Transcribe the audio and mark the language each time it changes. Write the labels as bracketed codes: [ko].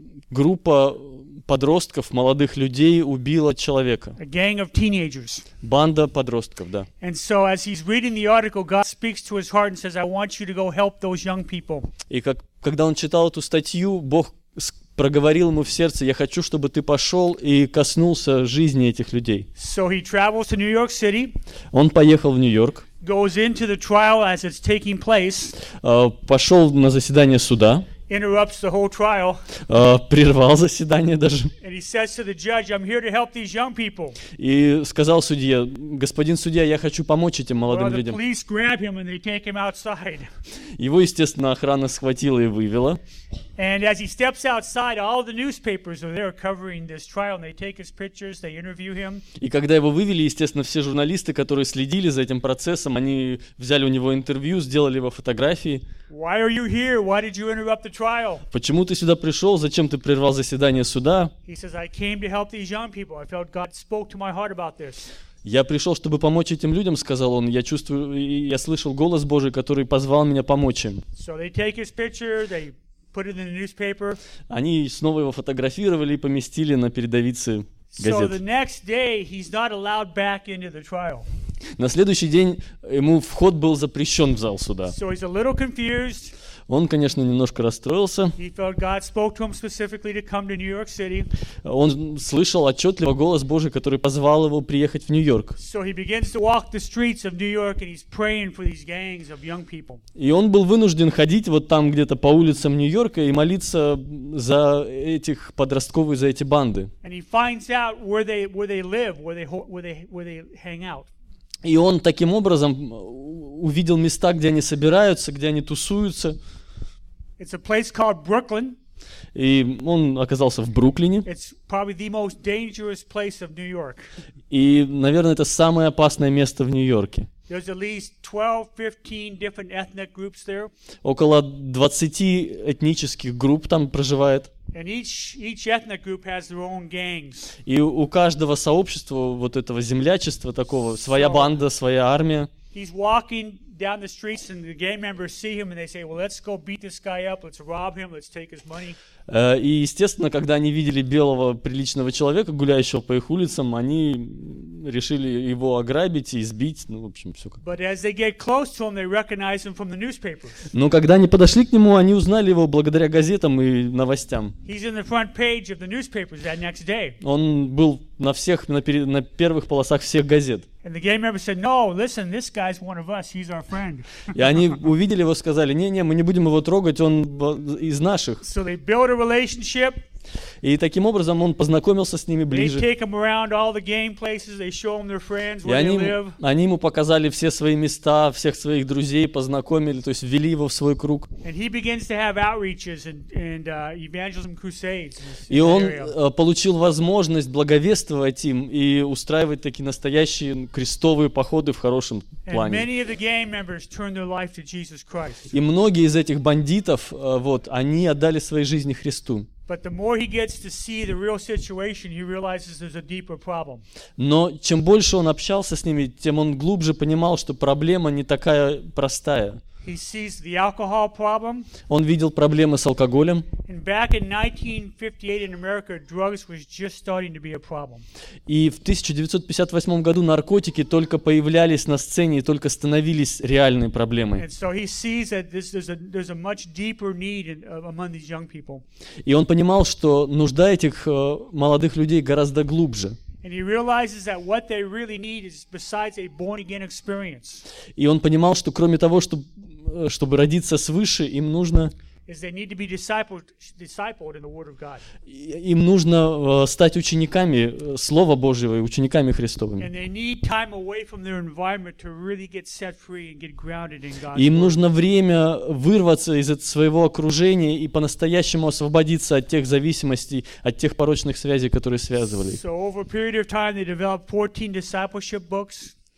[ru] Группа подростков, молодых людей убила человека. [en] A gang of teenagers. [ru] Банда подростков, да. [en] And so as he's reading the article, God speaks to his heart and says, "I want you to go help those young people." [ru] И когда он читал эту статью, Бог проговорил ему в сердце: "Я хочу, чтобы ты пошел и коснулся жизни этих людей." [en] So he travels to New York City. [ru] Он поехал в Нью-Йорк. [en] Goes into the trial as it's taking place. [ru] Пошел на заседание суда. [en] Interrupts the whole trial. [ru] Прервал заседание даже. [en] And he says to the judge, "I'm here to help these young people." [ru] И сказал судье: "Господин судья, я хочу помочь этим молодым людям." [en] The police grab him and they take him outside. [ru] Его, естественно, охрана схватила и вывела. [en] And as he steps outside, all the newspapers are there covering this trial, and they take his pictures, they interview him. [ru] И когда его вывели, естественно, все журналисты, которые следили за этим процессом, они взяли у него интервью, сделали его фотографии. [en] Why are you here? Why did you interrupt the trial? [ru] Почему ты сюда пришел? Зачем ты прервал заседание суда? [en] He says, "I came to help these young people. I felt God spoke to my heart about this." [ru] Я пришел, чтобы помочь этим людям, сказал он. Я чувствую, я слышал голос Божий, который позвал меня помочь им. [en] So they take his picture, they put it in the newspaper. [ru] Они снова его фотографировали и поместили на передовицы газет. [en] So the next day he's not allowed back into the trial. [ru] На следующий день ему вход был запрещен в зал суда. [en] So he's a little confused. [ru] Он, конечно, немножко расстроился. [en] He felt God spoke to him specifically to come to New York City. [ru] Он слышал отчетливо голос Божий, который позвал его приехать в Нью-Йорк. [en] So he begins to walk the streets of New York and he's praying for these gangs of young people. [ru] И он был вынужден ходить вот там где-то по улицам Нью-Йорка и молиться за этих подростковых, за эти банды. [en] And he finds out where they live, where they hang out. [ru] И он таким образом увидел места, где они собираются, где они тусуются. [en] It's a place called Brooklyn. [ru] И он оказался в Бруклине. [en] It's probably the most dangerous place of New York. [ru] И, наверное, это самое опасное место в Нью-Йорке. [en] There's at least 12-15 different ethnic groups there. [ru] Около 20 этнических групп там проживает. [en] And each ethnic group has their own gangs. [ru] И у каждого сообщества вот этого землячества такого своя банда, своя армия. [en] He's walking down the streets and the gang members see him and they say, "Well, let's go beat this guy up, let's rob him, let's take his money." [ru] И естественно, когда они видели белого приличного человека, гуляющего по их улицам, они решили его ограбить и избить, ну, в общем, все. [en] But as they get close to him, they recognize him from the newspapers. [ru] Но когда они подошли к нему, они узнали его благодаря газетам и новостям. [en] He's in the front page of the newspapers that next day. [ru] Он был на всех, на первых полосах всех газет. [en] And the gang member said, "No, listen, this guy's one of us. He's our friend." [ru] И они увидели его, сказали: "Не-не, мы не будем его трогать, он из наших." [en] So they built a relationship. [ru] И таким образом он познакомился с ними ближе. [en] They take him around all the game places. They show him their friends where they live. [ru] И они ему показали все свои места, всех своих друзей познакомили, то есть ввели его в свой круг. [en] And he begins to have outreaches and evangelism crusades. [ru] И он получил возможность благовествовать им и устраивать такие настоящие крестовые походы в хорошем плане. [en] And many of the gang members turned their life to Jesus Christ. [ru] И многие из этих бандитов они отдали свои жизни Христу. [en] But the more he gets to see the real situation, he realizes there's a deeper problem. [ru] Но чем больше он общался с ними, тем он глубже понимал, что проблема не такая простая. [en] He sees the alcohol problem. [ru] Он видел проблемы с алкоголем. [en] And back in 1958 in America, drugs was just starting to be a problem. [ru] И в 1958 году наркотики только появлялись на сцене и только становились реальной проблемой. [en] And so he sees that there's a much deeper need among these young people. [ru] И он понимал, что нужда этих молодых людей гораздо глубже. [en] And he realizes that what they really need is besides a born-again experience. [ru] И он понимал, что кроме того, чтобы родиться свыше, им нужно. [en] Is they need to be discipled in the Word of God. [ru] Им нужно стать учениками Слова Божьего и учениками Христовыми. [en] And they need time away from their environment to really get set free and get grounded in God. [ru] Им нужно время вырваться из своего окружения и по-настоящему освободиться от тех зависимостей, от тех порочных связей, которые связывали. [en] So over a period of time, they developed 14 discipleship books.